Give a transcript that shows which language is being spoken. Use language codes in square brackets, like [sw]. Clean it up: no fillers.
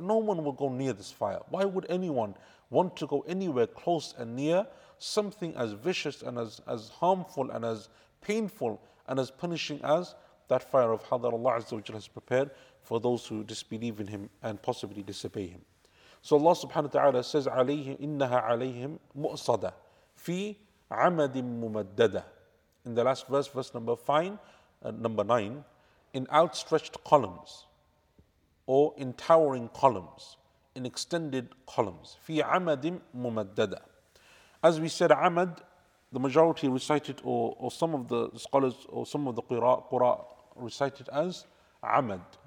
[en] No one will go near this fire. Why would anyone want to go anywhere close and near something as vicious and as harmful and as painful and as punishing as that fire of hell that Allah Azza wa Jalla has prepared for those who disbelieve in Him and possibly disobey Him? So Allah subhanahu wa ta'ala says, [ar] عَلَيْهِمْ إِنَّهَا عَلَيْهِمْ مُؤْصَدَةً فِي عَمَدٍ مُمَدَّدَةً. [en] In the last verse, verse number nine, in outstretched columns, or in towering columns, in extended columns. [ar] في عمد ممددة. [en] As we said, عمد, the majority recited, or some of the scholars, or some of the قراء recited as عمد.